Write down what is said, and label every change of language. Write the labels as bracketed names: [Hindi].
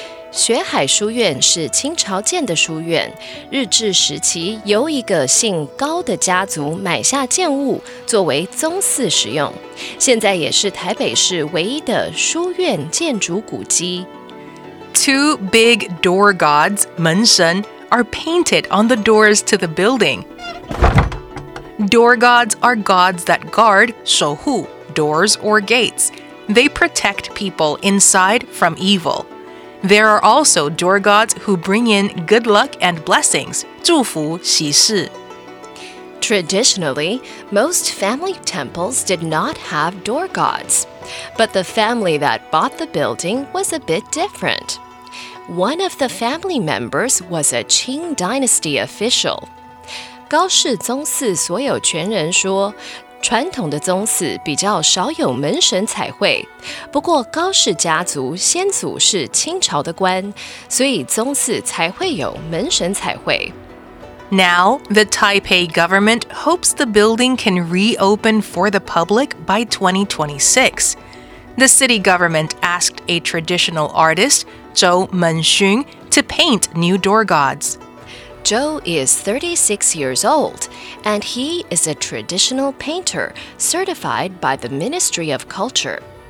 [Chinese] 學海書院是清朝建的書院,日治時期由一個姓高的家族買下建物作為宗祠使用,現在也是台北市唯一的書院建築古蹟。 [English] Two big door gods, 門神, are painted on the doors to the building. Door gods are gods that guard, 守護, doors or gates. They protect people inside from evil. There are also door gods who bring in good luck and blessings, 祝福喜事。 Traditionally, most family temples did not have door gods. But the family that bought the building was a bit different. One of the family members was a Qing Dynasty official. [Chinese] 高氏宗祠所有权人说传统的宗祠比较少有门神彩绘，不过高氏家族先祖是清朝的官，所以宗祠才会有门神彩绘。 [English] Now, the Taipei government hopes the building can reopen for the public by 2026. The city government asked a traditional artist, Chou Meng-hsun, to paint new door gods. Zhou is 36 years old, and he is a traditional painter certified by the Ministry of Culture.